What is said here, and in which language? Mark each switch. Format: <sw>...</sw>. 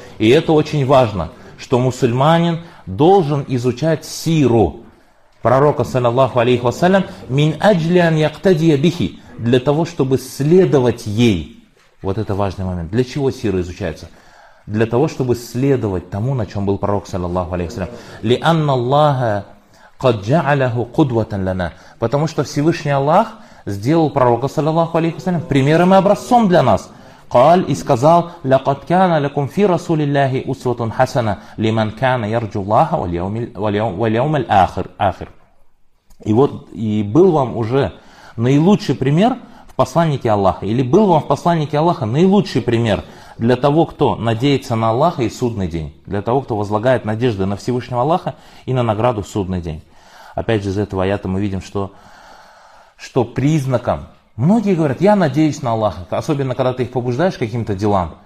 <ru>И это очень важно, что мусульманин должен изучать сиру пророка, саллиллаху алейхи вассалям,</ru> <ar>مِنْ أَجْلِ أَنْ يَقْتَدِيَ بِهِ,</ar> <ru>для того, чтобы следовать ей. Вот это важный момент. Для чего сира изучается? Для того, чтобы следовать тому, на чем был пророк, саллиллаху алейхи вассалям.</ru> <ar>لِأَنَّ اللَّهَ قَدْ جَعَلَهُ قُدْوَةً لَنَا.</ar> <ru>Потому что Всевышний Аллах сделал пророка, саллиллаху алейхи вассалям, примером и образцом для нас.</ru> <ar>قَالْ,</ar> <ru>и сказал,</ru> <ar>لَقَدْ كَانَ لَكُمْ فِي رَسُولِ اللَّهِ أُسْوَةٌ حَسَنَ لِمَنْ كَانَ يَرْجُ اللَّهَ وَالْيَوْمَ الْآخِرِ.</ar> <ru>И вот, и был вам уже наилучший пример в посланнике Аллаха, или был вам в посланнике Аллаха наилучший пример для того, кто надеется на Аллаха и судный день, для того, кто возлагает надежды на Всевышнего Аллаха и на награду в судный день. Опять же, из этого аята мы видим, что признаком, многие говорят, я надеюсь на Аллаха, особенно когда ты их побуждаешь к каким-то делам.</ru>